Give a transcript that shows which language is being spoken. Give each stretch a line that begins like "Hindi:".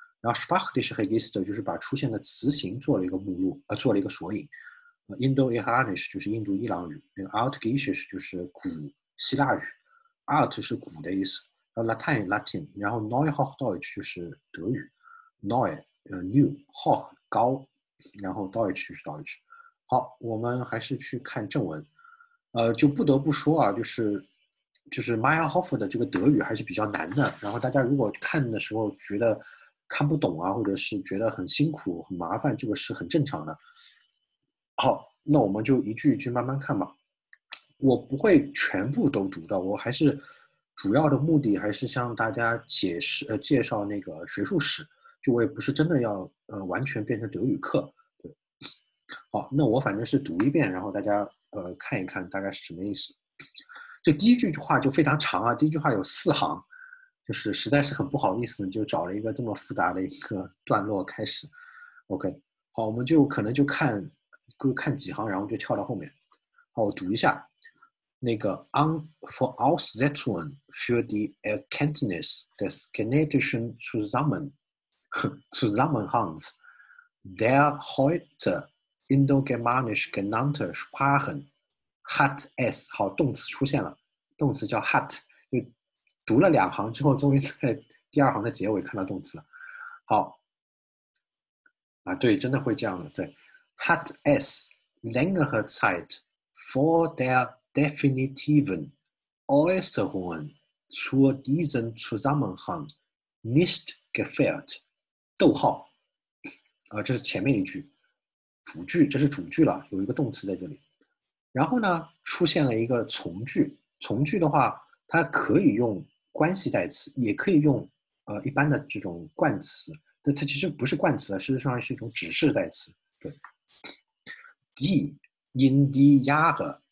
Chinese: 然后 Sprachliche Register 就是把出现的词形做了一个目录，做了一个索引。 Indo-Iranisch 就是印度伊朗语，那个 Altgriechisch 就是古希腊语，Alt 是古的意思，然后 Latin，然后 Neuhochdeutsch 就是德语，Neu。 New hoch 高，然后 Deutsch 是 Deutsch。好，我们还是去看正文。就不得不说啊，就是 Meyerhofer 的这个德语还是比较难的。然后大家如果看的时候觉得看不懂啊，或者是觉得很辛苦、很麻烦，这个是很正常的。好，那我们就一句一句慢慢看吧。我不会全部都读到，我还是主要的目的还是向大家解释介绍那个学术史，就我也不是真的要完全变成德语课。对，好，那我反正是读一遍，然后大家看一看大概是什么意思。这第一句话就非常长啊，第一句话有4行，就是实在是很不好意思，就找了一个这么复杂的一个段落开始。 OK，好，我们就可能就看几行，然后就跳到后面。好，我读一下。
German: 那个 "An Voraussetzung für die Erkenntnis des genetischen Zusammenhangs der heute indogermanisch genannten Sprachen hat es"，
Chinese: 好，动词出现了，动词叫 hat，就读了2行之后，终于在第二行的结尾看到动词了。好，啊，对，真的会这样的，对，
German: hat es längere Zeit vor der definitiven Äußerungen zu diesem Zusammenhang nicht gefällt。
Chinese: 逗号，这是前面一句，主句，这是主句了，有一个动词在这里。然后呢，出现了一个从句，从句的话，它可以用关系代词，也可以用一般的这种冠词。但它其实不是冠词了，事实上是一种指示代词。对，
German: die in die Jahre。